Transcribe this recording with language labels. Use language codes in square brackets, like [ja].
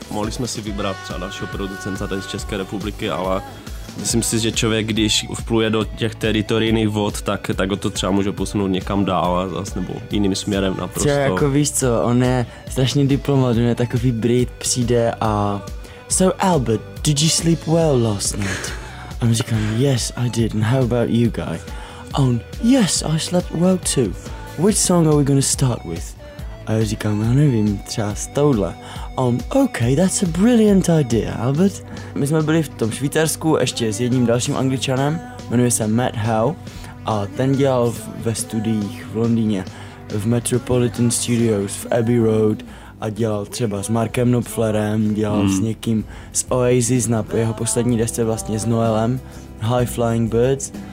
[cs] Mohli jsme si vybrat třeba dalšího producenta tady z České republiky, ale myslím si, že člověk, když vpluje do těch teritorijních vod, tak ho to třeba může posunout někam dál zas, nebo jiným směrem naprosto. Třeba jako víš co, on je strašný diplomat, on je takový Brit, přijde a [en] So Albert, did you sleep well last night? I'm just going, yes, I did, and how about you, guy? On, yes, I slept well too. Which song are we going to start with? [cs] A já říkám, já nevím, třeba s touhle. [en] Okay, that's a brilliant idea, Albert. [cs] My jsme byli v tom Švýcarsku ještě s jedním dalším Angličanem, jmenuje se Matt Howe, a ten dělal ve studiích v Londýně, v Metropolitan Studios, v Abbey Road, a dělal třeba s Markem Knopflerem, dělal s někým z Oasis na jeho poslední desce vlastně s Noelem, High Flying Birds.